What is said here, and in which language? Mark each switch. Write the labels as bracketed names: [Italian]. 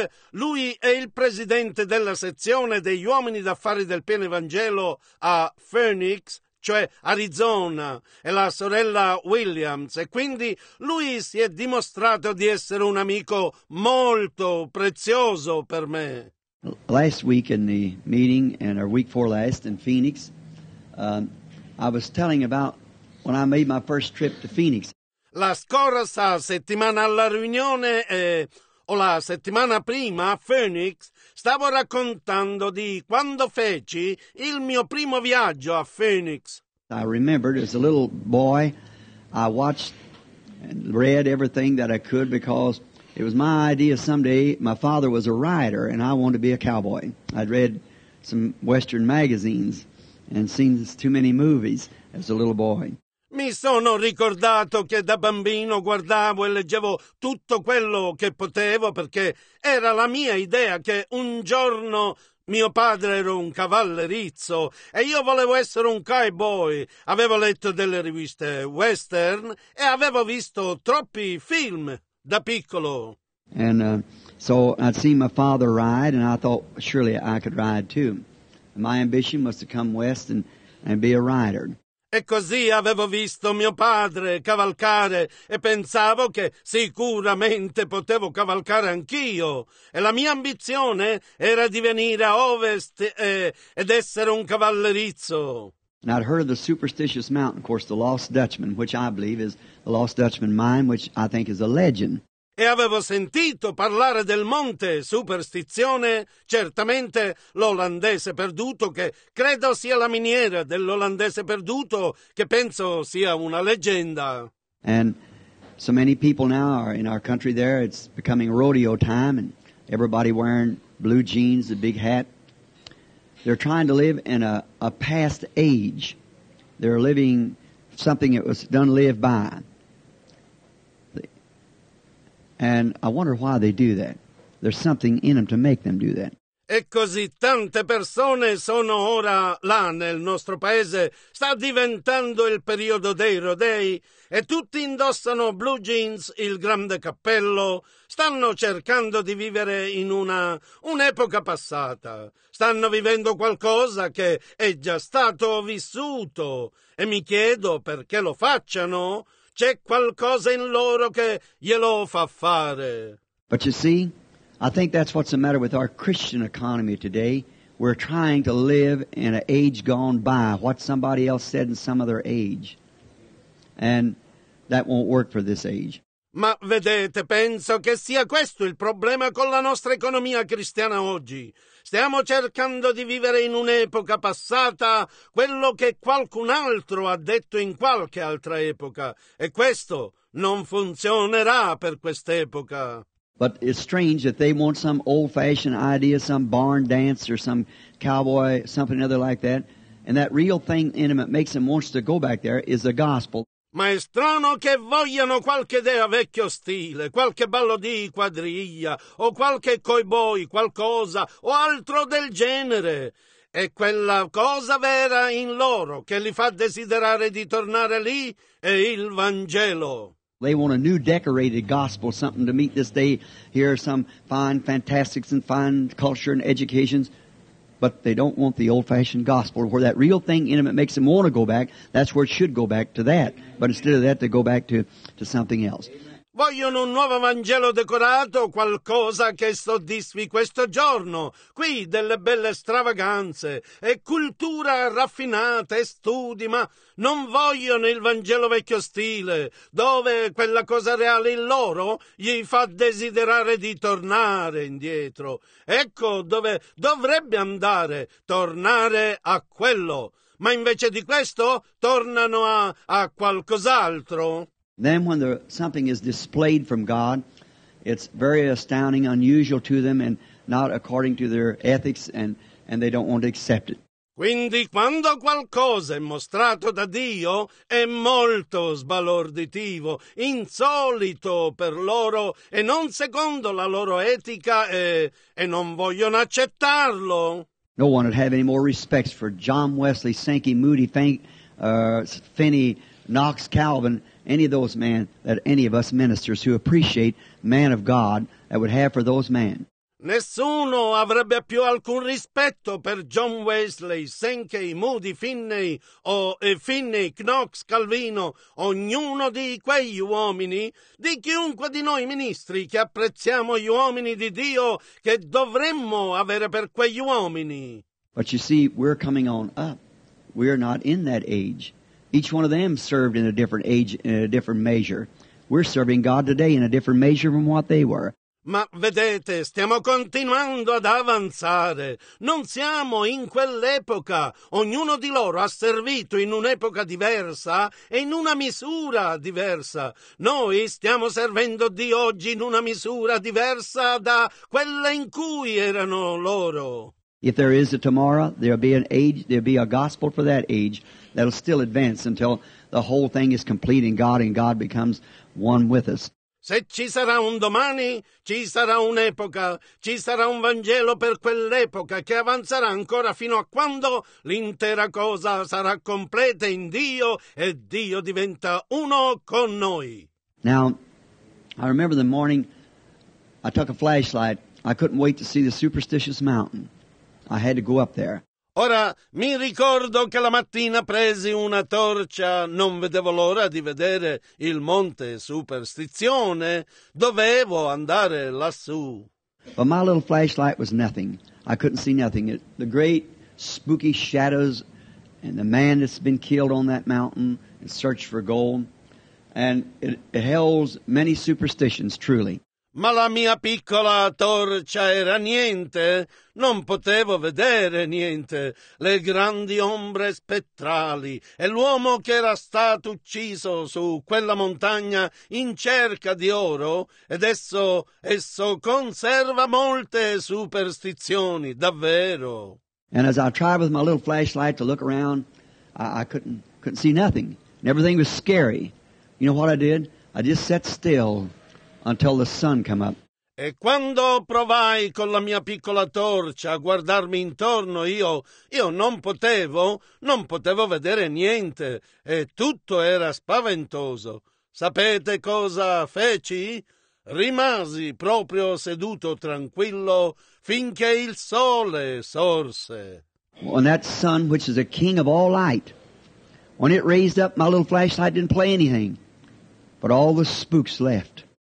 [Italian] Lui è il presidente della sezione degli uomini d'affari del Pieno Evangelo a Phoenix, cioè Arizona, e la sorella Williams, e quindi lui si è dimostrato di essere un amico molto prezioso per me. [English] Last week in the meeting, and a week before last in Phoenix, I was telling about when I made my first trip to Phoenix. [Italian] La scorsa settimana alla riunione, o la settimana prima a Phoenix, stavo raccontando di quando feci il mio primo viaggio a Phoenix. [English] I remembered as a little boy, I watched and read everything that I could because it was my idea someday. My father was a writer and I wanted to be a cowboy. I'd read some Western magazines and seen too many movies as a little boy. [Italian] Mi sono ricordato che da bambino guardavo e leggevo tutto quello che potevo perché era la mia idea che un giorno mio padre era un cavallerizzo e io volevo essere un cowboy. Avevo letto delle riviste western e avevo visto troppi film da piccolo. [English] And so I'd seen my father ride and I thought surely I could ride too. My ambition was to come west and be a rider. [Italian] E così avevo visto mio padre cavalcare e pensavo che sicuramente potevo cavalcare anch'io. E la mia ambizione era di venire a ovest ed essere un cavallerizzo. [English] And I'd heard of the superstitious mountain, of course, the Lost Dutchman, which I believe is the Lost Dutchman mine, which I think is a legend. [Italian] E avevo sentito parlare del monte Superstizione, certamente l'olandese perduto, che credo sia la miniera dell'olandese perduto, che penso sia una leggenda. [English] And so many people now are in our country there, it's becoming rodeo time, and everybody wearing blue jeans, a big hat. They're trying to live in a past age. They're living something it was done live by. And I wonder why they do that. There's something in them to make them do that. [Italian] E così tante persone sono ora là nel nostro paese. Sta diventando il periodo dei rodei e tutti indossano blue jeans, il grande cappello. Stanno cercando di vivere in un'epoca passata. Stanno vivendo qualcosa che è già stato vissuto. E mi chiedo perché lo facciano. C'è qualcosa in loro che glielo fa fare. [English] But you see, I think that's what's the matter with our Christian economy today. We're trying to live in an age gone by, what somebody else said in some other age. And that won't work for this age. [Italian] Ma vedete, penso che sia questo il problema con la nostra economia cristiana oggi. Stiamo cercando di vivere in un'epoca passata quello che qualcun altro ha detto in qualche altra epoca. E questo non funzionerà per quest'epoca. [English] But it's strange that they want some old-fashioned idea, some barn dance or some cowboy, something other like that. And that real thing in them that makes them want to go back there is the gospel. [Italian] Ma è strano che vogliano qualche idea vecchio stile, qualche ballo di quadriglia o qualche cowboy, qualcosa o altro del genere. E quella cosa vera in loro che li fa desiderare di tornare lì è il Vangelo. [English] They want a new decorated gospel, something to meet this day. Here are some fine fantastics and fine culture and educations. But they don't want the old-fashioned gospel where that real thing in them that makes them want to go back. That's where it should go back to that. But instead of that, they go back to something else. [Italian] Vogliono un nuovo Vangelo decorato, qualcosa che soddisfi questo giorno. Qui delle belle stravaganze e cultura raffinata e studi, ma non vogliono il Vangelo vecchio stile, dove quella cosa reale in loro gli fa desiderare di tornare indietro. Ecco dove dovrebbe andare, tornare a quello. Ma invece di questo, tornano a qualcos'altro. [English] Then when something is displayed from God, it's very astounding, unusual to them, and not according to their ethics, and they don't want to accept it. [Italian] Quindi quando qualcosa è mostrato da Dio, è molto sbalorditivo, insolito per loro, e non secondo la loro etica, e non vogliono accettarlo. [English] No one would have any more respects for John Wesley, Sankey, Moody, Finney, Knox, Calvin, any of those men that any of us ministers who appreciate man of God that would have for those men. [Italian] Nessuno avrebbe più alcun rispetto per John Wesley, Sankey, Moody, Finney, o Finney, Knox, Calvino, ognuno di quegli uomini, di chiunque di noi ministri che apprezziamo gli uomini di Dio che dovremmo avere per quegli uomini. [English] But you see, we're coming on up. We're not in that age. Each one of them served in a different age, in a different measure. We're serving God today in a different measure from what they were. [Italian] Ma vedete, stiamo continuando ad avanzare. Non siamo in quell'epoca. Ognuno di loro ha servito in un'epoca diversa e in una misura diversa. Noi stiamo servendo Dio oggi in una misura diversa da quella in cui erano loro. [English] If there is a tomorrow, there'll be an age, there'll be a gospel for that age that'll still advance until the whole thing is complete in God and God becomes one with us. [Italian] Se ci sarà un domani, ci sarà un'epoca, ci sarà un Vangelo per quell'epoca che avanzerà ancora fino a quando l'intera cosa sarà completa in Dio e Dio diventa uno con noi. [English] Now, I remember the morning I took a flashlight. I couldn't wait to see the superstitious mountain. I had to go up there. [Italian] Ora, mi ricordo che la mattina presi una torcia, non vedevo l'ora di vedere il Monte Superstizione. Dovevo andare lassù. [English] But my little flashlight was nothing. I couldn't see nothing. The great spooky shadows and the man that's been killed on that mountain and searched for gold. And it holds many superstitions, truly. [Italian] Ma la mia piccola torcia era niente, non potevo vedere niente, le grandi ombre spettrali e l'uomo che era stato ucciso su quella montagna in cerca di oro, ed esso conserva molte superstizioni, davvero. [English] And as I tried with my little flashlight to look around, I couldn't see nothing, and everything was scary. You know what I did? I just sat still. Until the sun came up. [Italian] E quando provai con la mia piccola torcia a guardarmi intorno, io non potevo vedere niente e tutto era spaventoso. Sapete cosa feci? Rimasi proprio seduto tranquillo finché il sole sorse. [English] When that sun, which is the king of all light, when it raised up, my little flashlight didn't play anything, but all the spooks left.